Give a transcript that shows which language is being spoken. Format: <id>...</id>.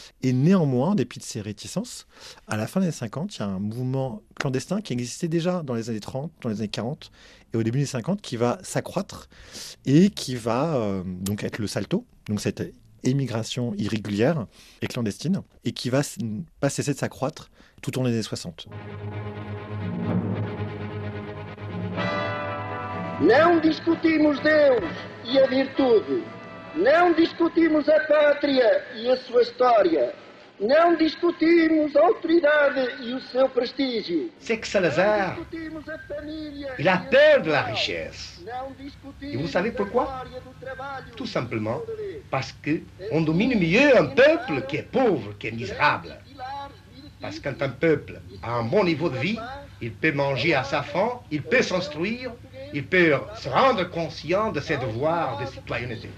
<fr>Et néanmoins, en dépit de ses réticences, à la fin des années 50, il y a un mouvement clandestin qui existait déjà dans les années 30, dans les années 40 et au début des 50, qui va s'accroître et qui va donc être le salto, donc cette émigration irrégulière et clandestine, et qui va pas cesser de s'accroître tout au long des années 60.</fr> <pt>Não discutimos Deus e a virtude. Não discutimos a pátria e a sua história. Não discutimos a autoridade e o seu prestígio.</pt> <fr>C'est que Salazar, il a peur de la richesse. Et vous savez pourquoi? Tout simplement parce qu'on domine mieux un peuple qui est pauvre, qui est misérable. Parce que quand un peuple a un bon niveau de vie, il peut manger à sa faim, il peut s'instruire, il peut se rendre conscient de ses devoirs de citoyenneté.</fr>